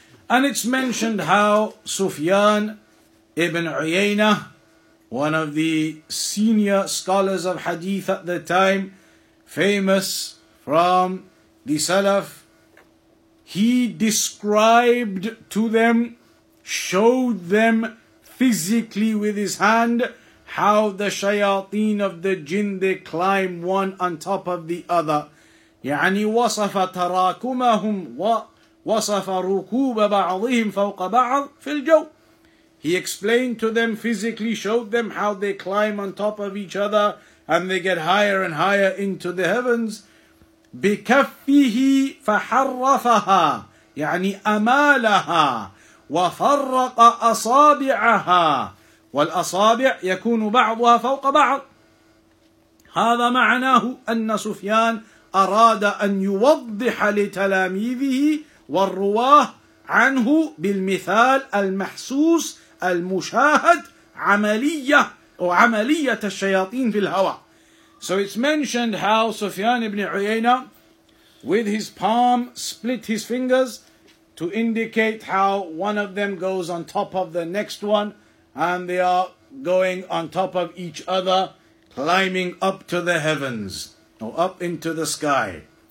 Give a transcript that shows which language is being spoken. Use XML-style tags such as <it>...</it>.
<en>And it's mentioned how Sufyan ibn Uyayna, one of the senior scholars of hadith at the time, famous from the Salaf, he described to them, showed them physically with his hand, how the shayateen of the jinn, they climb one on top of the other.</en> <ar>يعني وصف تراكمهم ووصف ركوب بعضهم فوق بعض في الجو.</ar> <en>He explained to them physically, showed them how they climb on top of each other and they get higher and higher into the heavens.</en> <ar>بِكَفِّهِ فَحَرَّفَهَا يعني أَمَالَهَا وَفَرَّقَ أَصَابِعَهَا وَالْأَصَابِعَ يَكُونُ بَعْضُهَا فَوْقَ بَعْضٍ. هذا معناه أن سفيان أراد أن يوضح لتلاميذه والرواه عنه بالمثال المحسوس المشاهد عملية أو عملية الشياطين في الهواء.</ar> <en>So it's mentioned how Sufyan ibn Uyayna with his palm split his fingers to indicate how one of them goes on top of the next one and they are going on top of each other, climbing up to the heavens or up into the sky.</en>